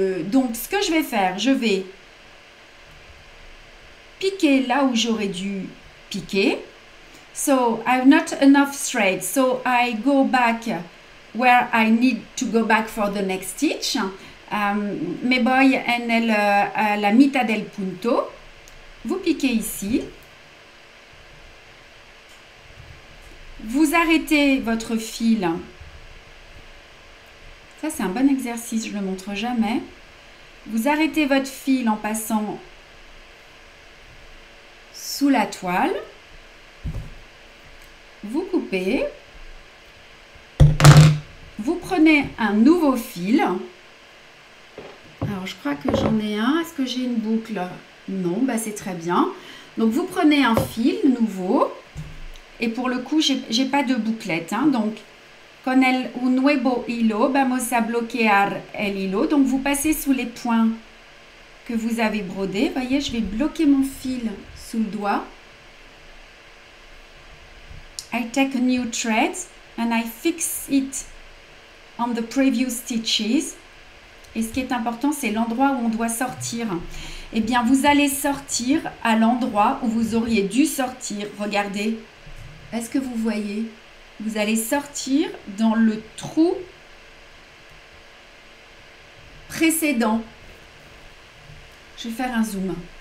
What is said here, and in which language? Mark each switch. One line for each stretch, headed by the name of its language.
French: Donc ce que je vais faire, je vais piquer là où j'aurais dû piquer.
English: So, I have not enough thread, so I go back where I need to go back for the next stitch.
Spanish: Me voy en la mitad del punto.
French: Vous piquez ici. Vous arrêtez votre fil. Ça, c'est un bon exercice, je ne le montre jamais. Vous arrêtez votre fil en passant sous la toile. Vous coupez. Vous prenez un nouveau fil. Alors, je crois que j'en ai un. Est-ce que j'ai une boucle? Non, bah, c'est très bien. Donc, vous prenez un fil nouveau. Et pour le coup, j'ai pas de bouclette. Hein, donc,
Spanish: con el un nuevo hilo, vamos a bloquear el hilo.
French: Donc, vous passez sous les points que vous avez brodés. Vous voyez, je vais bloquer mon fil sous le doigt.
English: I take a new thread and I fix it on the previous stitches.
French: Et ce qui est important, c'est l'endroit où on doit sortir. Eh bien, vous allez sortir à l'endroit où vous auriez dû sortir. Regardez. Est-ce que vous voyez? Vous allez sortir dans le trou précédent. Je vais faire un zoom.